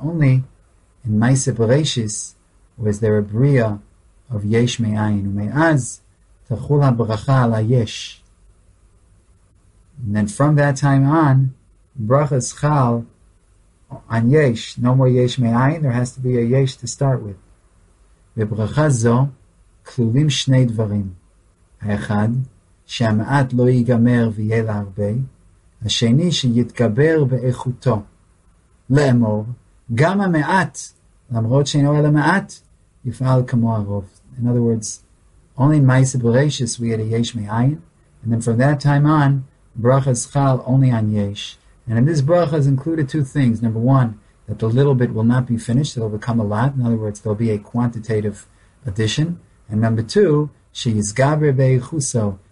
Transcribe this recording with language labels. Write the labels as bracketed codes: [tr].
[en] Only in maase b'reishis was there a bria of yesh me'ayin. [he] Me'az tachul ha'bracha ala yesh. [en] And then from that time on, bracha schal on yesh. No more yesh me'ayin, there has to be a yesh to start with. [he] Ve'bracha zo, כלולים שני דברים. האחד, שהמעט לא ייגמר ויהיה לה הרבה. השני, שיתגבר באיכותו. לאמור, גם המעט, למרות שאינו אלא מעט, יפעל כמו הרוב. [en] In other words, only in Ma'ase Bereishis we had a yesh me'ayin, and then from that time on, brachas chal only on yesh. And in this bracha is included two things. Number one, that the little bit will not be finished, it'll become a lot. In other words, there'll be a quantitative addition. And number two, she is gabre be'ichuso.